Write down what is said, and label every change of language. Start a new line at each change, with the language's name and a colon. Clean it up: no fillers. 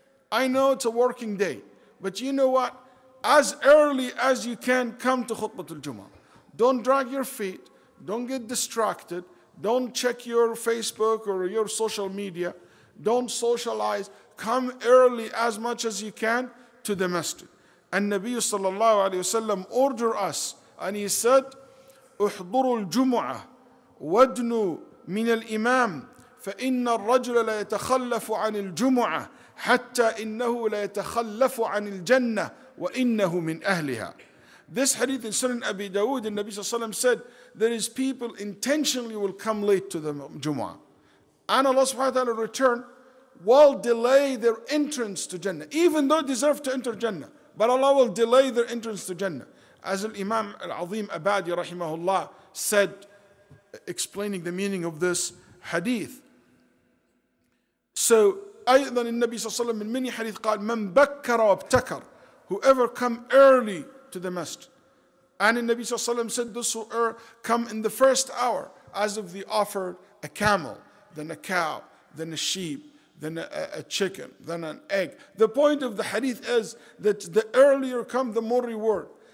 English: I know it's a working day, but you know what? As early as you can, come to Khutbah al-Jum'ah. Don't drag your feet. Don't get distracted. Don't check your Facebook or your social media. Don't socialize. Come early as much as you can to the masjid. And Nabi sallallahu alayhi wa sallam ordered us, and he said,
Arabic: احضروا الجمعة وادنوا من الإمام فإن الرجل لا يتخلف عن الجمعة حتى إنه لا يتخلف عن الجنة وإنه من أهلها.
English: This hadith in Sunan Abi Dawood, the Nabi sallallahu alayhi wa sallam said, there is people intentionally will come late to the Jum'ah. And Allah subhanahu wa ta'ala return will delay their entrance to Jannah, even though they deserve to enter Jannah. But Allah will delay their entrance to Jannah. As Imam Al-Azim Abadi rahimahullah said, explaining the meaning of this hadith. So,
Arabic: أيضا النبي صلى الله عليه وسلم من مني حديث قال من بكر وابتكر.
English: Whoever come early to the masjid. And النبي صلى الله عليه وسلم said, those who come in the first hour, as if they offered a camel, then a cow, then a sheep, then a chicken, then an egg. The point of the hadith is that the earlier come, the more reward.